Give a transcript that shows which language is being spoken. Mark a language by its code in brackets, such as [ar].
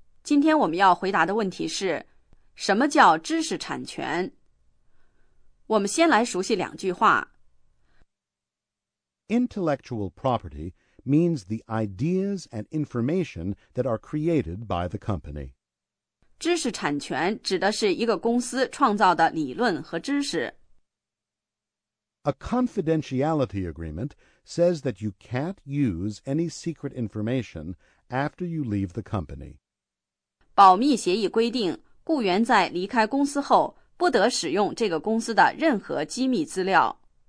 [zh] 今天我们要回答的问题是，什么叫知识产权？我们先来熟悉两句话。 [en] Intellectual property means the ideas and information that are created by the company. [zh] 知识产权指的是一个公司创造的理论和知识。 [en] A confidentiality agreement says that you can't use any secret information after you leave the company. [zh] 保密协议规定，雇员在离开公司后不得使用这个公司的任何机密资料。